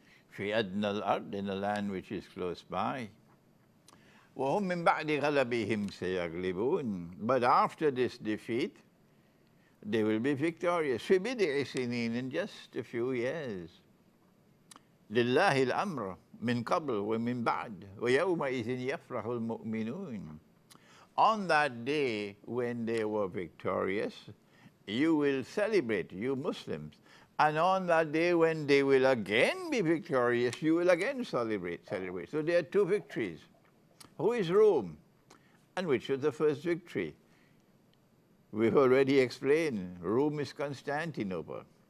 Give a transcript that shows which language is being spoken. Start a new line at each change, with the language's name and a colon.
Arabic: Fi adna al-ard,
English: in a land which is close by.
Arabic: Wa hum min ba'di ghalabihim sayaghlibun.
English: But after this defeat, they will be victorious.
Arabic: في بضع سنين,
English: in just a few years.
Arabic: لله الأمر من قبل ومن بعد ويومئذ يفرح المؤمنون.
English: On that day when they were victorious, you will celebrate, you Muslims. And on that day when they will again be victorious, you will again celebrate. So there are two victories. Who is Rome? And which was the first victory? We've already explained, Rome is Constantinople.